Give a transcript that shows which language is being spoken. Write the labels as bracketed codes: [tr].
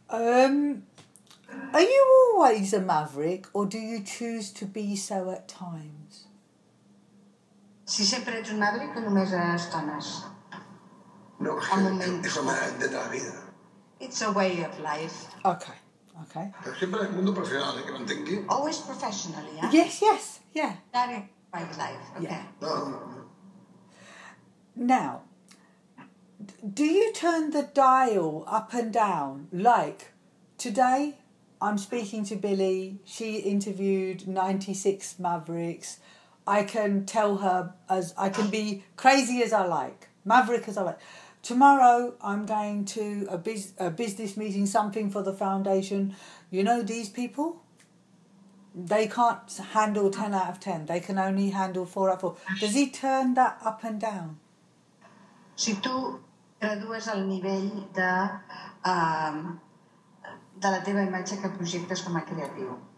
[en] Are you always a Maverick, or do you choose to be so at times? [ca] Si sempre ets un Maverick o només a estones? No, és una manera de la vida. [en] It's a way of life. Okay. [ca] Però sempre el mundo professional, que m'entengui. [en] Always professionally, eh? Yes. That is. Private life, okay. Now, do you turn the dial up and down? Like, today I'm speaking to Billy, she interviewed 96 Mavericks, I can tell her, I can be crazy as I like, Maverick as I like. Tomorrow I'm going to a business meeting, something for the foundation. You know these people? They can't handle 10 out of 10. They can only handle 4 out of 4. Does he turn that up and down? [ca] Si tu gradues el nivell de la teva imatge que projectes com a creatiu.